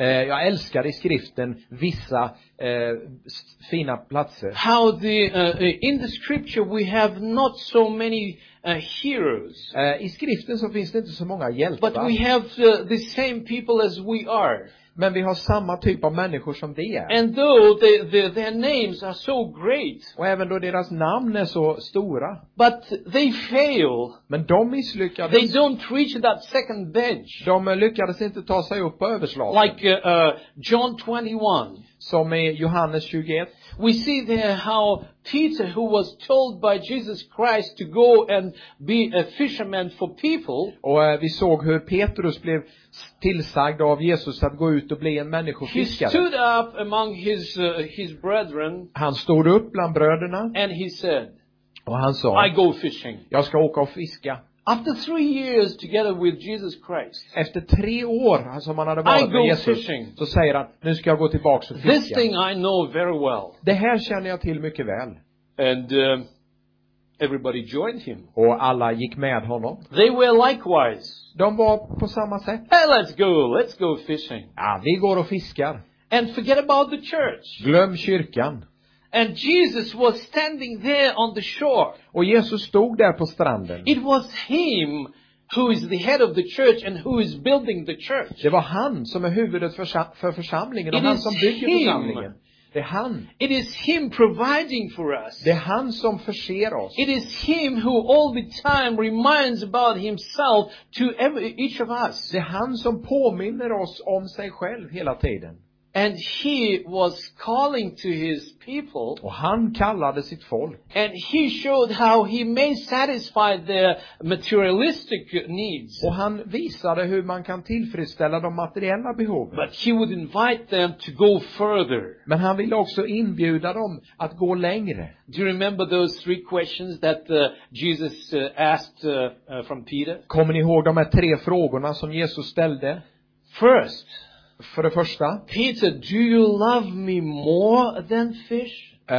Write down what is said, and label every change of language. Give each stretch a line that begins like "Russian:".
Swedish: Jag älskar i skriften vissa fina platser.
English: How the in the scripture we have not so many heroes.
Swedish: I skriften så finns det inte så många hjältar.
English: But we have the same people as we are.
Swedish: Men vi har samma typ av människor som vi är.
English: And though their names are so great.
Swedish: Och även då deras namn är så stora.
English: But they fail.
Swedish: Men de misslyckades.
English: They don't reach that second bench.
Swedish: De lyckades inte ta sig upp på överslaget.
English: Like John 21.
Swedish: Som i Johannes 21.
English: We see there how Peter, who was told by Jesus Christ to go and be a fisherman for people.
Swedish: Och vi såg hur Petrus blev tillsagd av Jesus att gå ut och bli en människofiskare.
English: He stood up among his brethren.
Swedish: Han stod upp bland bröderna.
English: And he said.
Swedish: Och han sa.
English: I go fishing.
Swedish: Jag ska åka och fiska.
English: After 3 years together with Jesus Christ.
Swedish: Efter 3 år som han hade varit med Jesus.
English: Fishing.
Swedish: Så säger han, nu ska jag gå tillbaka och fiska.
English: This thing I know very well.
Swedish: Det här känner jag till mycket väl.
English: And everybody joined him.
Swedish: Och alla gick med honom.
English: They were likewise.
Swedish: De var på samma sätt.
English: Hey, let's go fishing.
Swedish: Ja, vi går och fiskar.
English: And forget about the church.
Swedish: Glöm kyrkan.
English: And Jesus was standing there on the shore.
Swedish: Och Jesus stod där på stranden.
English: It was him who is the head of the church and who is building the church.
Swedish: Det var han som är huvudet för församlingen och han som bygger församlingen. Det är han.
English: It is him providing for us.
Swedish: Det är han som förser oss.
English: It is him who all the time reminds about himself to each of us.
Swedish: Det är han som påminner oss om sig själv hela tiden.
English: And he was calling to his people.
Swedish: Och han kallade sitt folk.
English: And he showed how he may satisfy their materialistic needs.
Swedish: Och han visade hur man kan tillfredsställa de materiella behoven.
English: But he would invite them to go further.
Swedish: Men han ville också inbjuda dem att gå längre.
English: Do you remember those three questions that Jesus asked from Peter?
Swedish: Kommer ni ihåg de här tre frågorna som Jesus ställde?
English: First.
Swedish: För det första,
English: Peter, do you love me more than fish?